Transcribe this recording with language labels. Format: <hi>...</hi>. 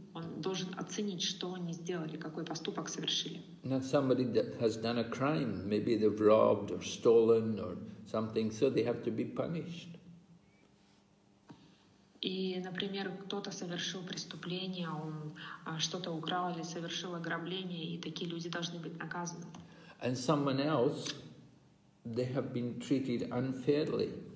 <ru>Он должен оценить, что они сделали, какой поступок совершили.</ru> <en>Now somebody that has done a crime, maybe they've robbed or stolen or something, so they have to be punished.</en> <ru>И, например, кто-то совершил преступление, он что-то украл или совершил ограбление, и такие люди должны быть наказаны.</ru> <en>And someone else, they have been treated unfairly.</en>